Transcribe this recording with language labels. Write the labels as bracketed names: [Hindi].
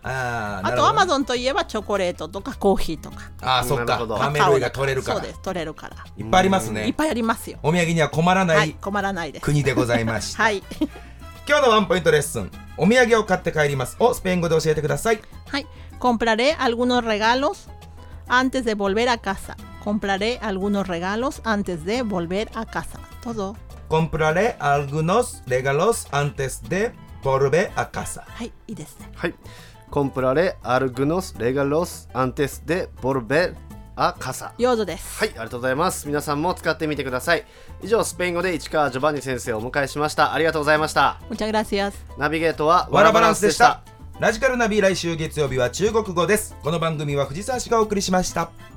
[Japanese] あ、あとアマゾンといえばチョコレートとかコーヒーとか。あ、そっか、カメ類が取れるから。そうです、取れるから。いっぱいありますね。いっぱいありますよ。お土産には困らない。はい、困らないです。国でございました。はい、今日のワンポイントレッスン、お土産を買って帰りますをスペイン語で教えてください。 [Spanish] はい、compraré algunos regalos antes de volver a casa. compraré algunos regalos antes de volver a casa. todo. compraré algunos regalos antes deVolver a casa. [Japanese] はい、いいですね。 [Spanish] はい、compraré algunos regalos antes de volver a casa. [Japanese] 用途です。はい、ありがとうございます。皆さんも使ってみてください。以上、スペイン語で市川ジョバンニ先生をお迎えしました。ありがとうございました。 [Spanish] Muchas gracias. [Japanese] ナビゲートはワラバランスでした。ラジカルナビ、来週月曜日は中国語です。この番組は藤沢市がお送りしました。